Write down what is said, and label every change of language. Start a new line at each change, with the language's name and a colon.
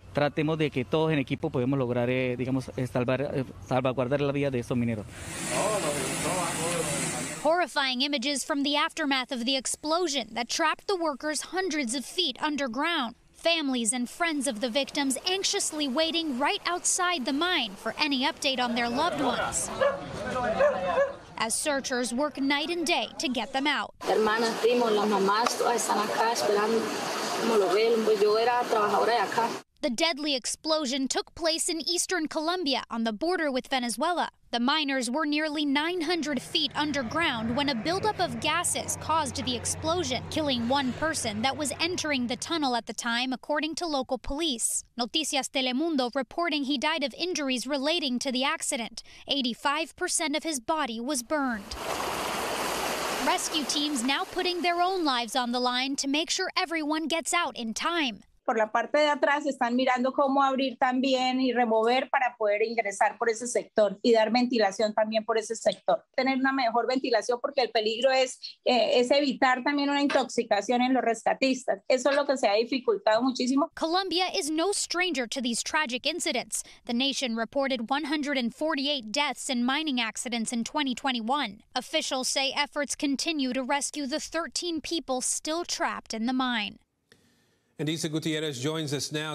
Spanish: Tratemos de que todos en equipo podemos lograr, digamos, salvaguardar la vida de esos mineros.
English: Horrifying images from the aftermath of the explosion that trapped the workers hundreds of feet underground. Families and friends of the victims anxiously waiting right outside the mine for any update on their loved ones. As searchers work night and day to get them out. The deadly explosion took place in eastern Colombia on the border with Venezuela. The miners were nearly 900 feet underground when a buildup of gases caused the explosion, killing one person that was entering the tunnel at the time, according to local police. Noticias Telemundo reporting he died of injuries relating to the accident. 85% of his body was burned. Rescue teams now putting their own lives on the line to make sure everyone gets out in time.
Spanish: Por la parte de atrás están mirando cómo abrir también y remover para poder ingresar por ese sector y dar ventilación también por ese sector. Tener una mejor ventilación porque el peligro es evitar también una intoxicación en los rescatistas. Eso es lo que se ha dificultado muchísimo.
English: Colombia is no stranger to these tragic incidents. The nation reported 148 deaths in mining accidents in 2021. Officials say efforts continue to rescue the 13 people still trapped in the mine. And Issa Gutierrez joins us now.